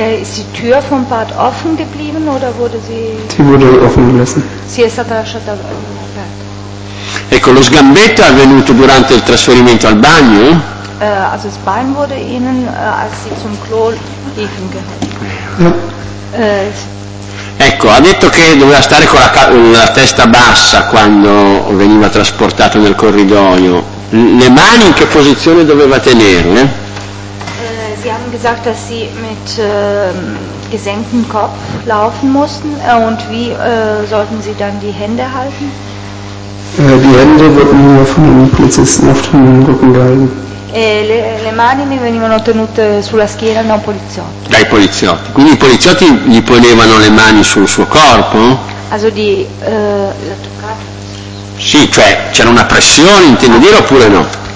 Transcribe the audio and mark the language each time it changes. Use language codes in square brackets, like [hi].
[de] Ist die Tür vom Bad offen geblieben oder wurde sie? Sie wurde offen gelassen. Sie ist [it] stata lasciata aperta. Ecco, lo sgambetto è avvenuto durante il trasferimento al bagno? [de] Also das Bein wurde ihnen, als sie zum Klo liefen, [it] Ecco, ha detto che doveva stare con la testa bassa quando veniva trasportato nel corridoio. Le mani in che posizione doveva tenerle? [de] Sie haben gesagt, dass sie mit gesenktem Kopf laufen mussten. Und wie sollten sie dann die Hände halten? Die Hände wurden nur von den Polizisten auf dem Rücken gehalten. [it] E le mani mi venivano tenute sulla schiena da un poliziotto. Dai poliziotti. Quindi i poliziotti gli ponevano le mani sul suo corpo? Also di l'ha toccato? Sì, cioè c'era una pressione, intendo dire, oppure no?